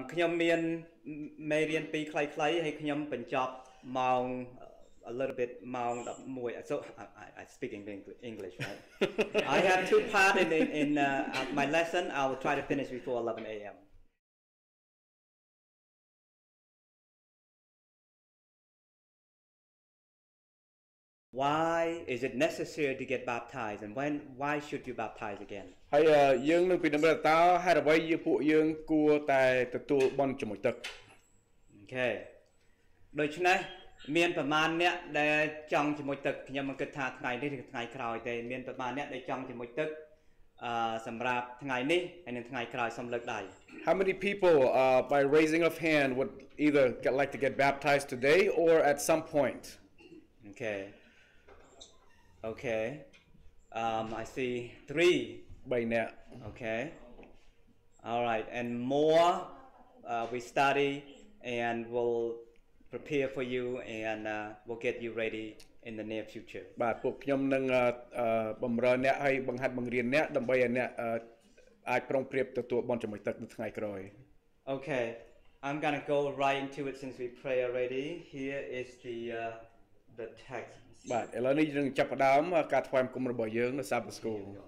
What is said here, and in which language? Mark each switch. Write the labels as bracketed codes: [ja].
[km] ខ្ញុំមានមេរៀនពីរខ្លីៗហើយខ្ញុំបញ្ចប់ម៉ោង [en] a little bit [km] ម៉ោង 11 [en] so I speaking English right I have two part in my lesson I will try to finish before 11 a.m. Why is it necessary to get baptized and why should you baptize again [km] ហើយយើងនឹងពីដំណើរតើហេតុអ្វីជាពួកយើងគួរតែទទួលបន់ជាមួយទឹក អូខេដូច្នេះមានប្រមាណអ្នកដែលចង់ជាមួយទឹកខ្ញុំមិនគិតថាថ្ងៃនេះឬថ្ងៃក្រោយទេមានប្រមាណអ្នកដែលចង់ជាមួយទឹកសម្រាប់ថ្ងៃនេះហើយនឹងថ្ងៃក្រោយសូមលើកដៃ [en] How many people by raising of hand would either like to get baptized today or at some point Okay. I see 3 by now. Okay. All right, and more we study and we'll prepare for you and we'll get you ready in the near future. [km] បាទពួកខ្ញុំនឹងបំរើអ្នកឲ្យបង្ហាត់បង្រៀនអ្នកដើម្បីឲ្យអ្នកអាចប្រុងប្រៀបទទួលបន់ជាមួយទឹកនៅថ្ងៃក្រោយ [en] Okay. I'm going to go right into it since we pray already. Here is the text. [km] បាទឥឡូវនេះយើងចាប់ផ្ដើមការថ្វាយបង្គំរបស់យើងនៅសាប់ស្គូល